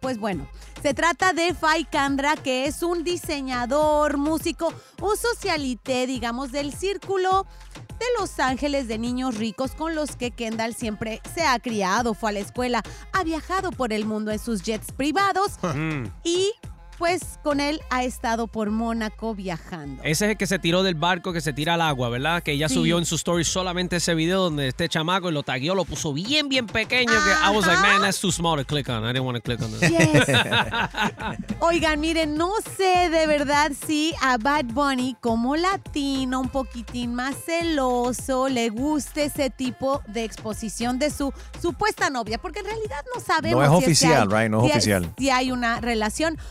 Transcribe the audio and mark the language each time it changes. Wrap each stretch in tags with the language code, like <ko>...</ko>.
<es>Pues bueno, se trata de Fai Candra, que es un diseñador, músico, un socialité, digamos, del círculo de Los Ángeles de niños ricos con los que Kendall siempre se ha criado, fue a la escuela, ha viajado por el mundo en sus jets privados y pues con él ha estado por Mónaco viajando. Ese es el que se tiró del barco, que se tira al agua, ¿verdad? Que ella subió en su story solamente ese video donde este chamaco y lo tagueó, lo puso bien, bien pequeño.</es> <en>Que I was like, man, that's too small to click on. I didn't want to click on this. Yes.</en> <es>Oigan, miren, no sé de verdad si a Bad Bunny, como latino, un poquitín más celoso, le guste ese tipo de exposición de su supuesta novia. Porque en realidad no sabemos. No es oficial, ¿verdad? No es oficial. Si hay una relación.</es>